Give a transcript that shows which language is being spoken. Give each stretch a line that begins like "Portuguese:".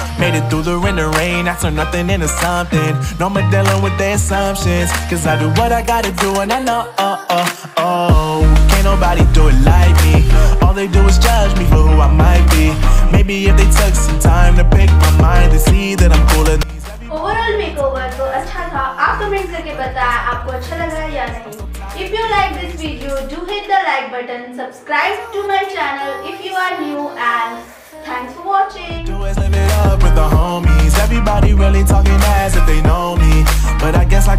English: Made it through the rain, the rain. I turned nothing into something. No more dealing with the assumptions. Cause I do what I gotta do and I know. Can't nobody do it like me. All they do is judge me for who I might be. Maybe if they took some time to pick my mind, they see that I'm cooler than these. Overall makeover
Hindi: तो अच्छा था। आप comment करके बताएं आपको अच्छा लगा या नहीं।
English: If you like this video, do hit the like button. Subscribe to my channel if you are new and thanks for watching. Do is live it up with the homies. Everybody really talking as if they know me. But I guess I